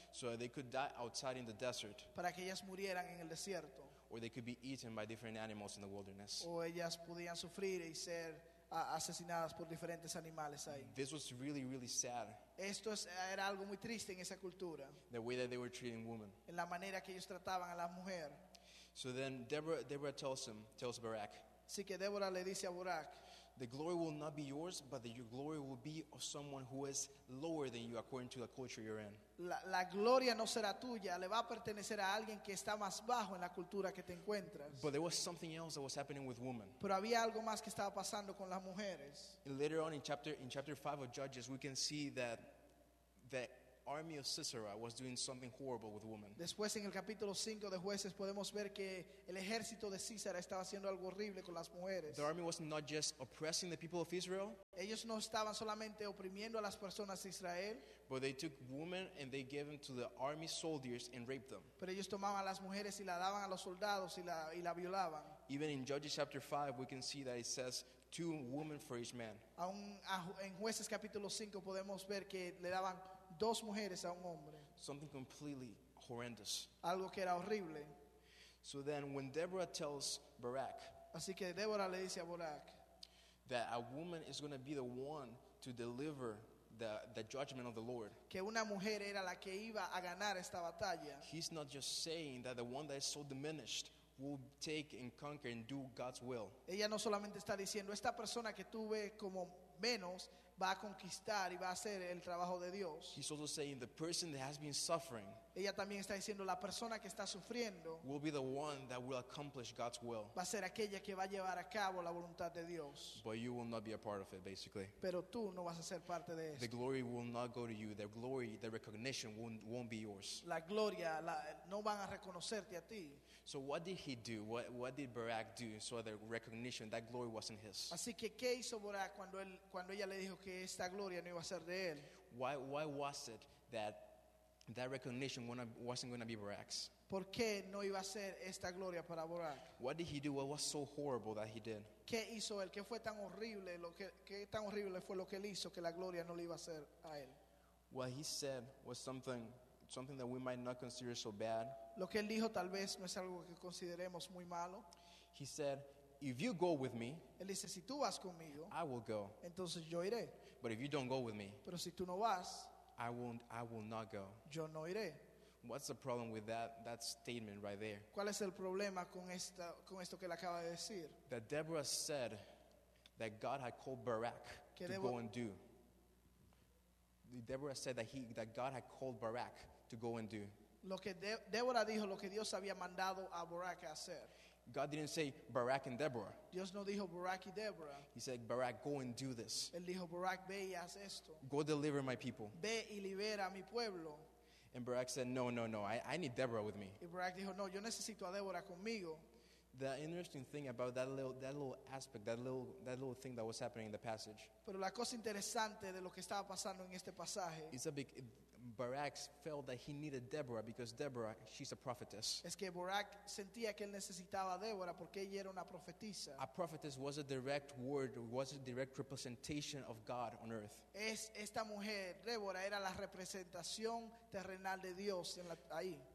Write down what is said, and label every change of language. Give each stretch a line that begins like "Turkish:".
English: So they could die outside in the desert.
Spanish: Para que ellas murieran en el desierto.
English: Or they could be eaten by different animals in the wilderness.
Spanish: O ellas podían sufrir y ser asesinadas por diferentes animales ahí.
English: This was really, really sad.
Spanish: Esto era algo muy triste en esa cultura.
English: The way that they were treating women.
Spanish: En la manera que ellos trataban a la mujer.
English: So then Deborah tells Barak.
Spanish: Así que Deborah le dice a Barak,
English: "The glory will not be yours, but your glory will be of someone who is lower than you according to the culture you're in."
Spanish: La gloria no será tuya, le va a pertenecer a alguien que está más bajo en la cultura que te encuentras.
English: But there was something else that was happening with women.
Spanish: Pero había algo más que estaba pasando con las mujeres.
English: And later on in chapter 5 of Judges, we can see that the army of Sisera was doing something horrible with women.
Spanish: Después en el capítulo 5 de Jueces podemos ver que el ejército de Sisera estaba haciendo algo horrible con las mujeres.
English: The army was not just oppressing the people of Israel.
Spanish: Ellos no estaban solamente oprimiendo a las personas de Israel.
English: But they took women and they gave them to the army soldiers and raped them.
Spanish: Pero ellos tomaban a las mujeres y la daban a los soldados y la violaban.
English: Even in Judges chapter 5 we can see that it says two women for each man.
Spanish: Aún en Jueces capítulo 5 podemos ver que le daban dos mujeres a un hombre.
English: Something completely horrendous.
Spanish: Algo que era horrible.
English: So then when Deborah tells Barak,
Spanish: así que Deborah le dice a Barak,
English: that a woman is going to be the one to deliver the judgment of the Lord.
Spanish: Que una mujer era la que iba a ganar esta batalla.
English: He's not just saying that the one that is so diminished will take and conquer and do God's will.
Spanish: Ella no solamente está diciendo esta persona que tú ves como menos va a conquistar y va a hacer el trabajo de Dios.
English: He's also saying the person that has been suffering.
Spanish: Ella también está diciendo la persona que está sufriendo.
English: Will be the one that will accomplish God's will.
Spanish: Va a ser aquella que va a llevar a cabo la voluntad de Dios.
English: But you will not be a part of it, basically.
Spanish: Pero tú no vas a ser parte de eso.
English: The glory will not go to you. The glory, the recognition won't be yours.
Spanish: La gloria, no van a reconocerte a ti.
English: So what did he do? What did Barak do so the recognition, that glory wasn't his?
Spanish: Así que qué hizo Barak cuando ella le dijo que esta gloria no iba a ser de él?
English: Why was it that recognition wasn't going to be Barak's?
Spanish: ¿Por qué no iba a ser esta gloria para Barak?
English: What did he do? What was so horrible that he did?
Spanish: ¿Qué hizo él? ¿Qué fue tan horrible? ¿Qué tan horrible fue lo que él hizo que la gloria no le iba a ser a él?
English: What he said was something that we might not consider so bad.
Spanish: Lo que él dijo tal vez no es algo que consideremos muy malo.
English: He said, if you go with me,
Spanish: él dice, si tú vas conmigo,
English: I will go.
Spanish: Entonces yo iré.
English: But if you don't go with me,
Spanish: pero si tú no vas,
English: I will not go.
Spanish: Yo no iré.
English: What's the problem with that statement right there?
Spanish: ¿Cuál es el problema con esto que él acaba de decir?
English: That Deborah said that God had called Barak to go and do. Deborah said that God had called Barak to go and do.
Spanish: Lo que Deborah dijo, lo que Dios había mandado a Barak hacer.
English: God didn't say Barak and Deborah.
Spanish: Dios no dijo Barak y Deborah.
English: He said Barak, go and do this.
Spanish: Él dijo Barak, ve y haz esto.
English: Go deliver my people.
Spanish: Ve y libera a mi pueblo.
English: And Barak said, no, I need Deborah with me.
Spanish: Y Barak dijo, no, yo necesito a Deborah conmigo.
English: The interesting thing about that little thing that was happening in the passage.
Spanish: Pero la cosa interesante de lo que estaba pasando en este pasaje.
English: Barak felt that he needed Deborah because Deborah, she's a prophetess.
Spanish: Es que Barak sentía que él necesitaba a Deborah porque ella era una profetisa.
English: A prophetess was a direct word, was a direct representation of God on earth.
Spanish: Es esta mujer, Deborah, era la representación terrenal de Dios ahí.